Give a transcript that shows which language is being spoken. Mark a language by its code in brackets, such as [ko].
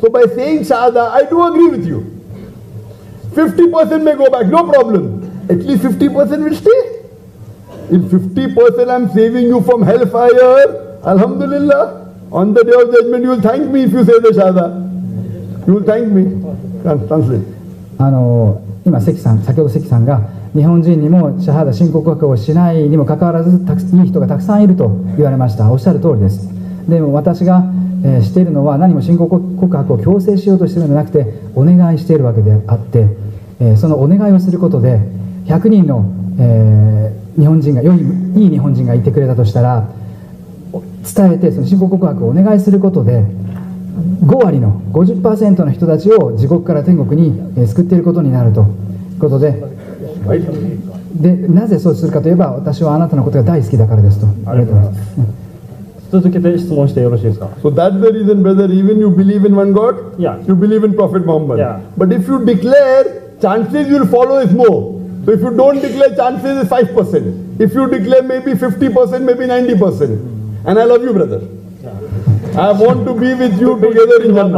[en] So by saying Shahada, I do agree with you. 50% may go back, no problem. At least 50% will stay. If 50% I'm saving you from hellfire, Alhamdulillah, on the day of judgment, you will thank me if you say the Shahada. You will thank me. Translate. [ja] 今関さん、先ほど関さんが日本人にもシャハダ申告枠をしないにもかかわらずいい人がたくさんいると言われました。おっしゃる通りです。でも私が、しているのは何も申告告白を強制しようとしているのではなくて、お願いしているわけであって、そのお願いをすることで100人の、日本人が良い、いい日本人がいてくれたとしたら、伝えてその申告告白をお願いすることで5割の 50% の人たちを地獄から天国に、救っていることになるということで、でなぜそうするかといえば、私はあなたのことが大好きだからですと。ありがとうございます。続けて質問してよろしいですか。 [en] So that's the reason, brother, even you believe in one God? Yeah. You believe in Prophet Muhammad? Yeah. But if you declare, chances you'll follow is more. So if you don't declare, chances is 5%. If you declare, maybe 50%, maybe 90%. And I love you, brother. I want to be with you together in Jannah.